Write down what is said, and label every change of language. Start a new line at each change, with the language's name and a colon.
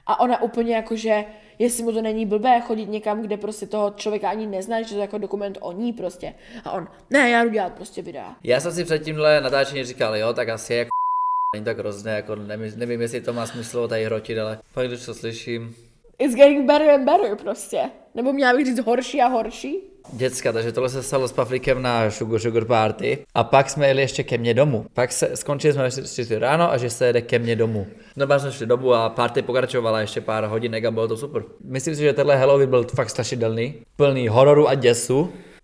Czech: A ona úplně jakože, jestli mu to není blbé chodit někam, kde prostě toho člověka ani neznáš, že to je jako dokument o ní prostě. A on, ne, já jdu dělat prostě videa. Já jsem si před tímhle natáčení říkal, jo, tak asi jako není tak hrozné, jako nevím, jestli to má smysl tady hrotit, ale fakt, když to slyším.
English: It's getting better and better
Czech: prostě. Nebo měla bych říct horší a horší. Děcka, takže tohle se stalo s Pufflickem na Sugar Sugar Party. A pak jsme jeli ještě ke mně domů. Pak se skončili jsme ještě ráno a že se jede ke mně domů. No pak jsme šli domů a party pokračovala ještě pár hodinek a bylo to super. Myslím si, že tenhle Halloween byl fakt strašidelný. Plný hororu a děsu.